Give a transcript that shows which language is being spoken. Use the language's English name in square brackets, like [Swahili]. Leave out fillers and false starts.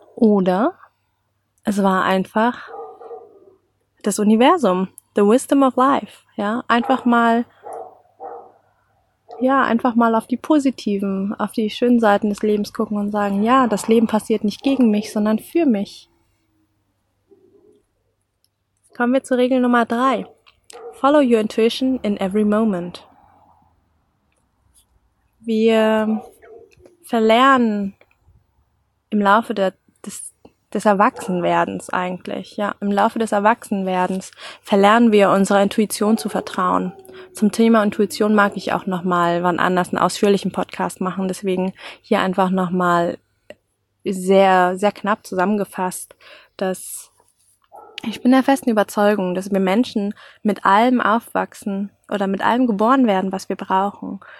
[German] Oder es war einfach das Universum, [English] the wisdom of life. [German] Ja, einfach mal auf die positiven, auf die schönen Seiten des Lebens gucken und sagen, ja, das Leben passiert nicht gegen mich, sondern für mich. kommen wir zur Regel Nummer 3. [English] Follow your intuition in every moment. [German] Wir verlernen im Laufe des Erwachsenwerdens eigentlich, ja, im Laufe des Erwachsenwerdens verlernen wir unserer Intuition zu vertrauen. Zum Thema Intuition mag ich auch nochmal wann anders einen ausführlichen Podcast machen, deswegen hier einfach nochmal sehr, sehr knapp zusammengefasst, dass ich bin der festen Überzeugung, dass wir Menschen mit allem aufwachsen oder mit allem geboren werden, was wir brauchen.